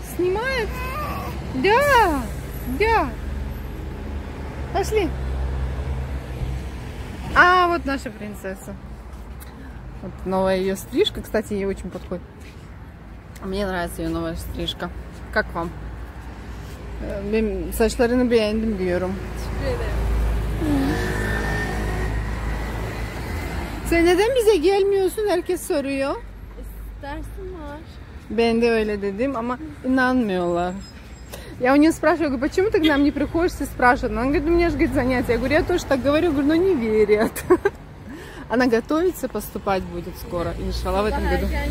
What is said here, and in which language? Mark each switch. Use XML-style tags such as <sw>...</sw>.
<ru>Снимает. Да, да. Пошли. А, вот наша принцесса. Вот новая ее стрижка. Кстати, ей очень подходит. Мне нравится ее новая стрижка. Как вам?</ru> <tr>Saçlarını beğendim diyorum. Sen neden bize gelmiyorsun? Herkes soruyor. İstersin var. Ben de öyle dedim ama inanmıyorlar.</tr> <ru>Я у нее спрашиваю, почему ты к нам не приходишь и спрашиваешь? Она говорит, у меня же говорит, занятия. Я говорю, я тоже так говорю, но не верят. Она готовится поступать будет скоро, иншаллах, в этом году.</ru>